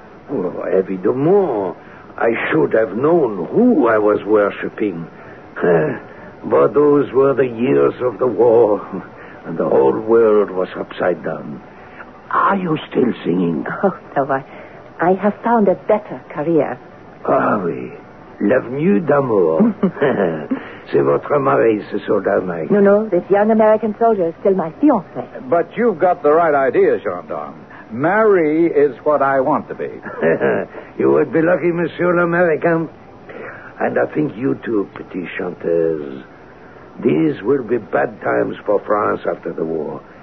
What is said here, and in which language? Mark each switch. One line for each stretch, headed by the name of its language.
English: Well, evidemment, I should have known who I was worshipping. But those were the years of the war, and the whole world was upside down. Are you still singing? Oh, no, I have found a better career.
French: Ah, oui. L'avenue d'amour. C'est votre mari, ce soldat, Mike.
English: No, this young American soldier is still my fiancé. But you've got the right idea, gendarme. Marry is what I want to be. You would be lucky,
French: Monsieur l'Américain.
English: And I think you too,
French: petite chanteuse.
English: These will be bad times for France after the war.